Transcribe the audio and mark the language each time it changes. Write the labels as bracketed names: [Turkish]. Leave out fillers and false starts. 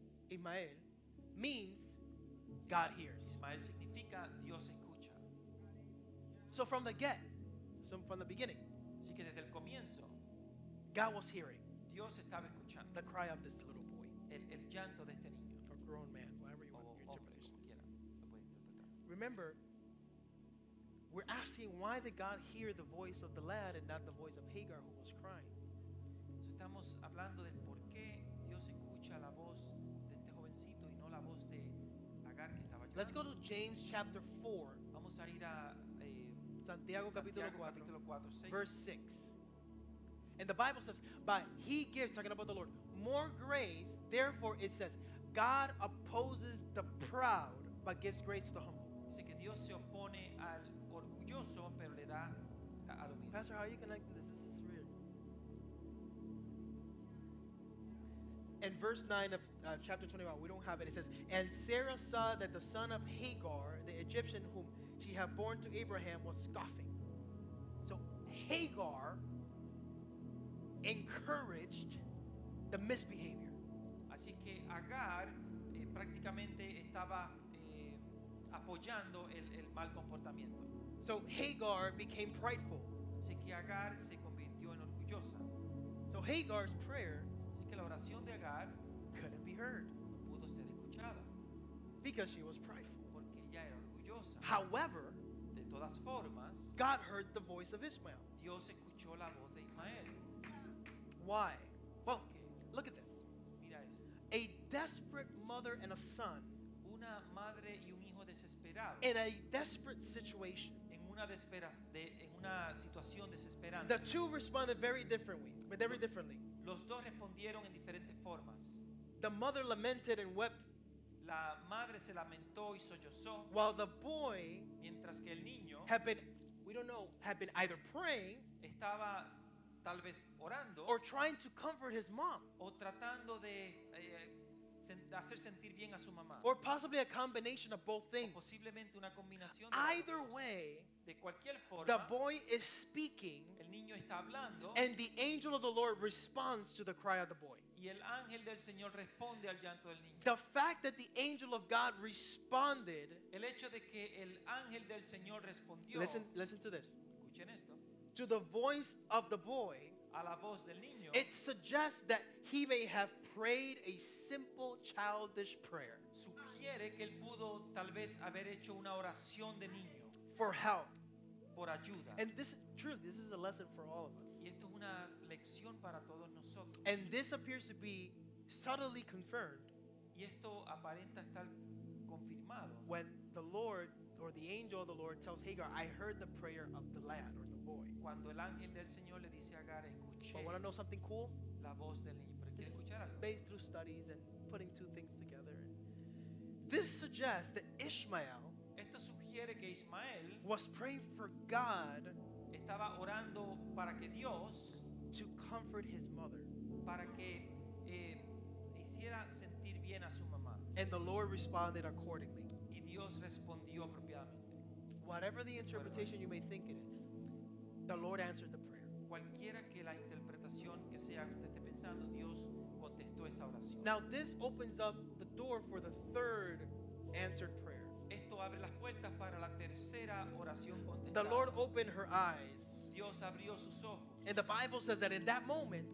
[English] Ishmael means God hears. [Spanish] Ismael significa Dios escucha. [English] So from the get, so from the beginning, [Spanish] así que desde el comienzo, [English] God was hearing. [Spanish] Dios estaba escuchando [English] the cry of this little boy. [Spanish] El llanto de este niño. [English] A grown man, whatever you want your interpretation. [Spanish] Como quiera, lo puede interpretar. [English] Remember, we're asking why did God hear the voice of the lad and not the voice of Hagar who was crying? [Spanish] So estamos hablando del por qué Dios escucha la voz de este jovencito y no la voz de Agar que estaba llorando. [English] Let's go to James chapter 4. [Spanish] Vamos a ir a Santiago capítulo 4, [English] verse 6. And the Bible says, but he gives, talking about the Lord, more grace. Therefore it says, God opposes the proud but gives grace to the humble. [Spanish] Dice que Dios se opone al orgulloso, pero le da a lo mismo. [English] Pastor, how are you connecting this? This is real. In verse 9 of chapter 21, we don't have it. It says, and Sarah saw that the son of Hagar, the Egyptian whom she had born to Abraham, was scoffing. So Hagar encouraged the misbehavior. [Spanish] Así que Agar prácticamente estaba apoyando el mal comportamiento. [English] So Hagar became prideful. [Spanish] Así que Agar se convirtió en orgullosa. [English] So Hagar's prayer, [Spanish] así que la oración de Agar, [English] couldn't be heard. [Spanish] No pudo ser escuchada. [English] Because she was prideful. [Spanish] Porque ella era orgullosa. [English] However, [Spanish] de todas formas, [English] God heard the voice of Ishmael. [Spanish] Dios escuchó la voz de Ismael. [English] Why? Well, okay. Look at this. [Spanish] Mira esto. [English] A desperate mother and a son, [Spanish] una madre y un hijo desesperado, [English] in a desperate situation, [Spanish] en una situación desesperante, [English] the two responded very differently. [Spanish] Los dos respondieron en diferentes formas. [English] The mother lamented and wept, [Spanish] la madre se lamentó y sollozó, [English] while the boy, [Spanish] mientras que el niño, [English] had been either praying, [Spanish] estaba tal vez orando, [English] or trying to comfort his mom, [Spanish] o tratando de hacer sentir bien a su mamá. [English] Or possibly a combination of both things. [Spanish] O posiblemente una combinación de [English] either [Spanish] dos. [English] Way, [Spanish] de cualquier forma, [English] the boy is speaking, [Spanish] el niño está hablando, [English] and the angel of the Lord responds to the cry of the boy. [Spanish] Y el ángel del Señor responde al llanto del niño. [English] The fact that the angel of God responded, [Spanish] el hecho de que el ángel del Señor respondió, [English] listen to this, [Spanish] escuchen esto, [English] to the voice of the boy, [Spanish] a la voz del niño, [English] it suggests that he may have prayed a simple childish prayer. [Spanish] Sugiere que él pudo tal vez haber hecho una oración de niño. [English] For help. [Spanish] Por ayuda. [English] And this truly, this is a lesson for all of us. [Spanish] Y esto es una lección para todos nosotros. [English] And this appears to be subtly confirmed. [Spanish] Y esto aparenta estar confirmado. [English] When the Lord or the angel of the Lord tells Hagar, I heard the prayer of the lad or the boy. [Spanish] Cuando el ángel del Señor le dice a Hagar, escuché. [English] But want to know something cool? [Spanish] La voz del niño. Pero quiere escuchar algo. [English] Based through studies and putting two things together, this suggests that Ishmael. [Spanish] Esto sugiere que Ismael [English] was praying for God, [Spanish] estaba orando para que Dios, [English] to comfort his mother, [Spanish] para que hiciera sentir bien a su mamá. [English] And the Lord responded accordingly. [Spanish] Y Dios respondió apropiadamente. [English] Whatever the interpretation you may think it is, the Lord answered the prayer. [Spanish] Cualquiera que la interpretación que sea que usted esté pensando, Dios contestó esa oración. [English] Now this opens up the door for the third answered prayer. [Spanish] Esto abre las puertas para la tercera oración contestada. [English] The Lord opened her eyes. [Spanish] Dios abrió sus ojos. [English] And the Bible says that in that moment,